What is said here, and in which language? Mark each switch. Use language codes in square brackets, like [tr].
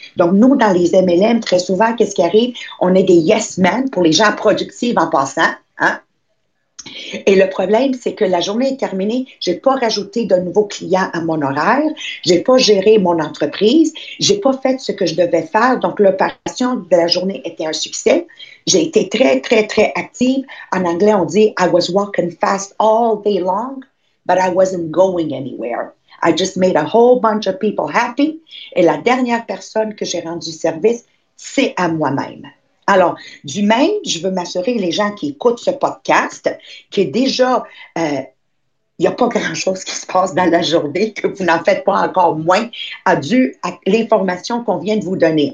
[fr] Donc, nous, dans les MLM, très souvent, qu'est-ce qui arrive? On est des yes-men pour les gens productifs en passant. Hein? Et le problème, c'est que la journée est terminée, je n'ai pas rajouté de nouveaux clients à mon horaire, je n'ai pas géré mon entreprise, je n'ai pas fait ce que je devais faire, donc l'opération de la journée était un succès. J'ai été très, très, très active. En anglais, on dit [en] « I was walking fast all day long, but I wasn't going anywhere. I just made a whole bunch of people happy. [fr] » Et la dernière personne que j'ai rendu service, c'est à moi-même. Alors, du même, je veux m'assurer les gens qui écoutent ce podcast, que déjà, il n'y a pas grand-chose qui se passe dans la journée, que vous n'en faites pas encore moins, dû à l'information qu'on vient de vous donner.